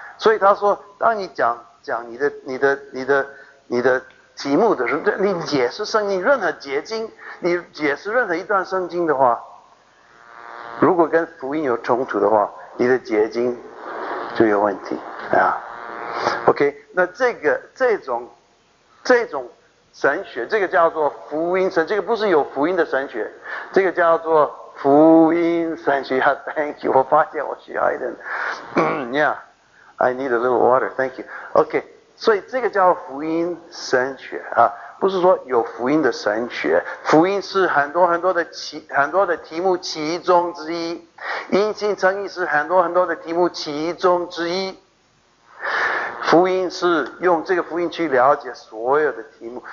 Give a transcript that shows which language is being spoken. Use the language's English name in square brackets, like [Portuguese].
[Chinese] 所以他说，当你讲讲你的你的你的你的题目的时候，你解释圣经任何节经，你解释任何一段圣经的话，如果跟福音有冲突的话，你的结晶就有问题啊。 OK， 那这个这种神学，这个叫做福音神，这个不是有福音的神学，这个叫做福音神学。 Yeah, thank you，我发现我需要一点。 [English] Yeah， I need a little water. Thank you. [Chinese] OK， 所以这个叫福音神学啊。不是说有福音的神学，福音是很多很多的题目其中之一，因信称义是很多很多的题目其中之一，福音是用这个福音去了解所有的题目。